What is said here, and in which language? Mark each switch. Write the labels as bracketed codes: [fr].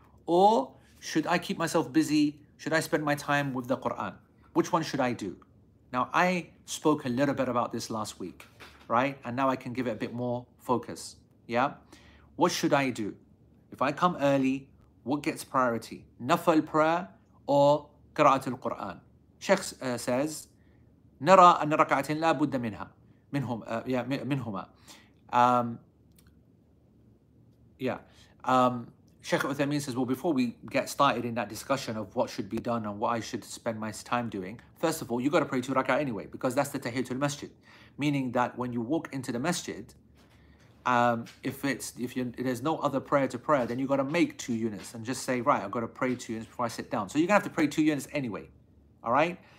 [en] Or should I keep myself busy? Should I spend my time with the Qur'an? Which one should I do? Now, I spoke a little bit about this last week, right? And now I can give it a bit more focus, yeah? What should I do? If I come early, what gets priority? Nafal prayer or Qira'at al-Qur'an? Sheikh says, [ar] نرى أن ركعتين لا بد منها منهما. [en] Sheikh Uthaymeen says, well, before we get started in that discussion of what should be done and what I should spend my time doing, first of all, you got to pray two rak'ah anyway, because that's the tahiyyatul masjid. Meaning that when you walk into the masjid, if there's no other prayer to pray, then you got to make two units and just say, right, I've got to pray two units before I sit down. So you're going to have to pray two units anyway, all right?